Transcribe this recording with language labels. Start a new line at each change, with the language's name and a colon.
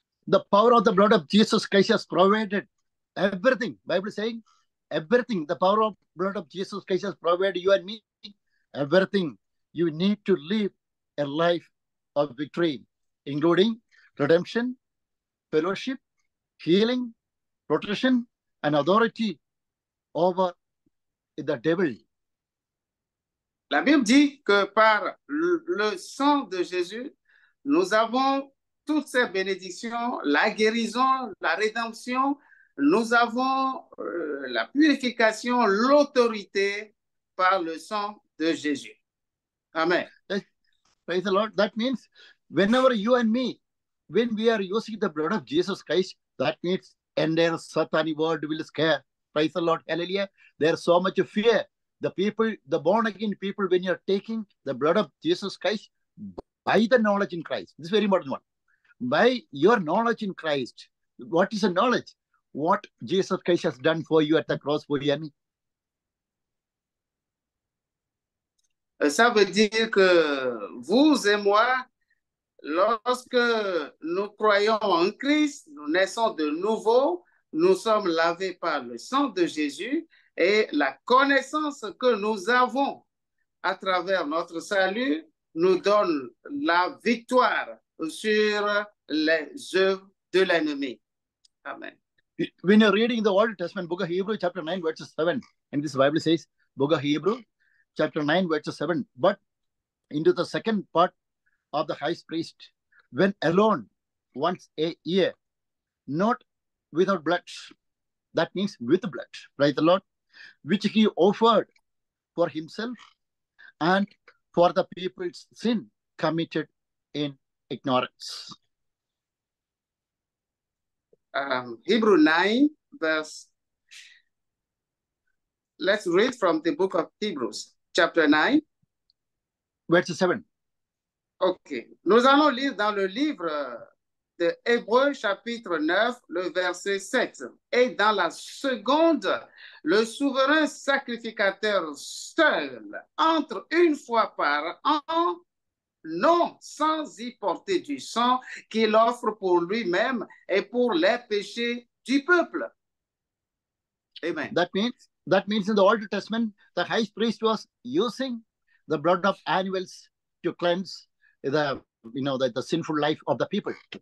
English: The power of the blood of Jesus Christ has provided everything. Bible is saying everything. The power of blood of Jesus Christ has provided you and me everything you need to live a life of victory, including redemption, fellowship, healing, protection, an authority over the devil.
French: La Bible dit que par le sang de Jésus, nous avons toutes ces bénédictions, la guérison, la rédemption, nous avons la purification, l'autorité par le sang de Jésus. Amen.
English: Praise the Lord. That means whenever you and me, when we are using the blood of Jesus Christ, that means and their satanic world will scare. Praise the Lord. Hallelujah. There's so much fear. The people, the born again people, when you're taking the blood of Jesus Christ by the knowledge in Christ. This is very important one. By your knowledge in Christ. What is the knowledge? What Jesus Christ has done for you at the cross for you and me.
French: Ça veut dire que vous et moi, lorsque nous croyons en Christ, nous naissons de nouveau, nous sommes lavés par le sang de Jésus et la connaissance que nous avons à travers notre salut nous donne la victoire sur les œuvres de l'ennemi. Amen.
English: When you're reading the Old Testament, Book of Hebrews, chapter 9, verse 7, and this Bible says, Book of Hebrews, chapter 9, verse 7, but into the second part of the high priest, when alone, once a year, not without blood, that means with blood, praise the Lord, which he offered for himself and for the people's sin committed in ignorance. Hebrews 9, verse, let's read from the book of Hebrews, chapter 9. Verse 7. Okay.
French: Nous allons lire dans le livre de Hébreux, chapitre 9, le verset 7. Et dans la seconde, le souverain sacrificateur seul entre une fois par an, non sans y porter du sang qu'il offre pour lui-même et pour les péchés du peuple. Amen.
English: That means in the Old Testament, the high priest was using the blood of animals to cleanse the sinful life of the people.